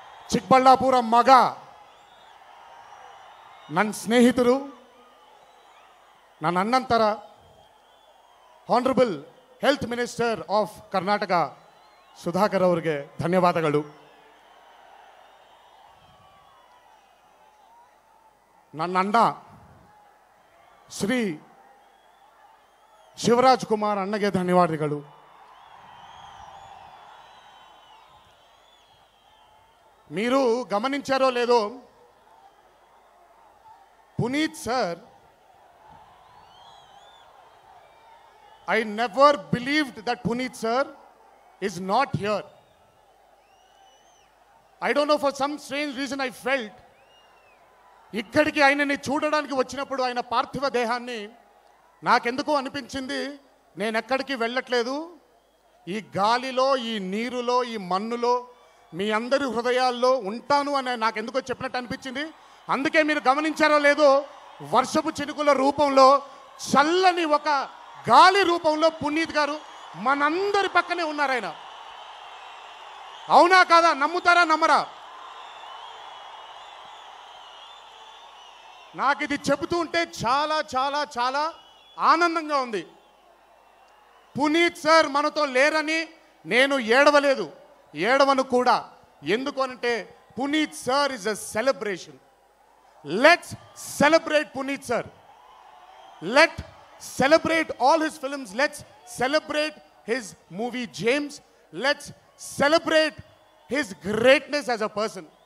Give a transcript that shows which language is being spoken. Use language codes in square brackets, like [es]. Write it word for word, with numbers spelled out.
[kn] ಚಿಕ್ಕಬಳ್ಳಾಪುರ ಮಗ, ನನ್ನ ಸ್ನೇಹಿತರು, ನನ್ನ ಅಣ್ಣಂತರ honourable health minister of Karnataka Sudhakar ಅವರಿಗೆ ಧನ್ಯವಾದಗಳು. ನನ್ನ ಅಣ್ಣ ಶ್ರೀ ಶಿವರಾಜ್ ಕುಮಾರ್ ಅಣ್ಣಗೆ ಧನ್ಯವಾದಗಳು. [te] మీరు గమనించారో లేదో, Puneeth sir, [en] I never believed that Puneet sir is not here. I don't know, for some strange reason I felt [te] ఇక్కడికి ఆయనని చూడడానికి వచ్చినప్పుడు ఆయన పార్థివ దేహాన్ని నాకెందుకో అనిపించింది, నేను ఎక్కడికి వెళ్ళట్లేదు, ఈ గాలిలో, ఈ నీరులో, ఈ మన్నులో, మీ అందరి హృదయాల్లో ఉంటాను అని నాకెందుకో చెప్పినట్టు అనిపించింది. అందుకే మీరు గమనించారో లేదో, వర్షపు చినుకుల రూపంలో, చల్లని ఒక గాలి రూపంలో పునీత్ గారు మనందరి పక్కనే ఉన్నారు. ఆయన అవునా కాదా, నమ్ముతారా నమ్మరా? నాకు ఇది చెబుతూ ఉంటే చాలా చాలా చాలా ఆనందంగా ఉంది. పునీత్ సార్ మనతో లేరని నేను ఏడవలేదు, ఏడవను కూడా. ఎందుకు అనంటే [en] Puneeth sir is a celebration. Let's celebrate Puneeth sir. Let celebrate all his films, let's celebrate his movie James, let's celebrate his greatness as a person.